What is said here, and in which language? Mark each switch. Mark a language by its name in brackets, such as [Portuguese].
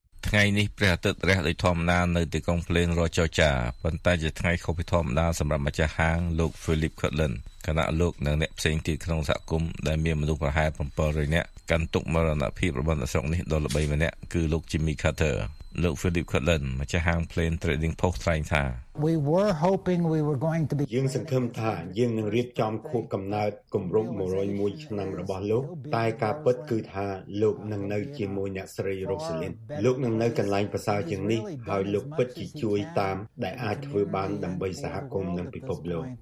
[Khmer] ថ្ងៃនេះព្រះអាទិត្យរះដោយធម្មតានៅទីក្រុងភ្លើងរស់ចរចាប៉ុន្តែជាថ្ងៃខុសពីធម្មតាសម្រាប់ម្ចាស់ហាងលោក Philip Cutland គណៈលោកនិងអ្នកផ្សេងទៀតក្នុងសហគមន៍ដែលមានមនុស្សប្រហែល700នាក់កាន់ទុក្ខមរណភាពរបស់អ្នកស្រុកនេះដល់ល្បីម្នាក់គឺលោក Jimmy Carter លោក Philip Cutland ម្ចាស់ហាង Plain Trading Post ថ្លែងថា [English] We were hoping we were going to be [Khmer] យើងសង្ឃឹមថាយើងនឹងរៀបចំខួបកំណើតគម្រប់101ឆ្នាំរបស់លោកតែការពិតគឺថាលោកនឹងនៅជាមួយអ្នកស្រីរ៉ូសាលីនលោកនឹងនៅកន្លែងប្រសើរជាងនេះហើយលោកពិតជាជួយតាមដែលអាចធ្វើបានដើម្បីសហគមន៍និងពិភពលោក